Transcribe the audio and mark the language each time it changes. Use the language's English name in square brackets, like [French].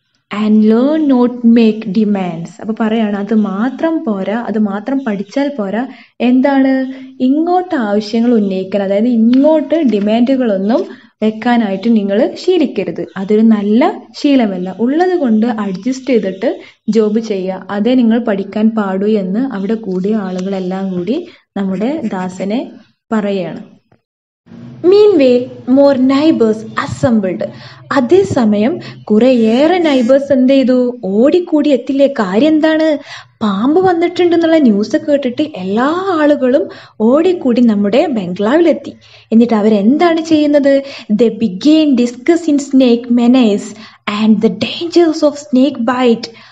[English] And learn not make demands. [Malayalam] അപ്പൊ പറയാണ്, അത് മാത്രം പഠിച്ചാൽ പോരാ, എന്താണ്, ഇങ്ങോട്ട് ആവശ്യങ്ങൾ ഉന്നയിക്കണം, അതായത് ഇങ്ങോട്ട് ഡിമാൻഡുകളൊന്നും വെക്കാനായിട്ട് നിങ്ങൾ ശീലിക്കരുത്, അതൊരു നല്ല ശീലമല്ല. ഉള്ളത് കൊണ്ട് അഡ്ജസ്റ്റ് ചെയ്തിട്ട് ജോബ് ചെയ്യുക, അതേ നിങ്ങൾ പഠിക്കാൻ പാടൂ എന്ന് അവിടെ കൂടിയ ആളുകളെല്ലാം കൂടി നമ്മുടെ ദാസനെ പറയാണ്. [English] Meanwhile, more neighbors assembled. [Malayalam] അതേ സമയം കുറെയേറെ നൈബേഴ്സ് എന്ത് ചെയ്തു, ഓടിക്കൂടി എത്തില്ലേ, കാര്യം എന്താണ്, പാമ്പ് വന്നിട്ടുണ്ട് എന്നുള്ള ന്യൂസ് കേട്ടിട്ട് എല്ലാ ആളുകളും ഓടിക്കൂടി നമ്മുടെ ബംഗ്ലാവിലെത്തി. എന്നിട്ട് അവരെന്താണ് ചെയ്യുന്നത്, [English] They began discussing snake menace and the dangers of snake bite.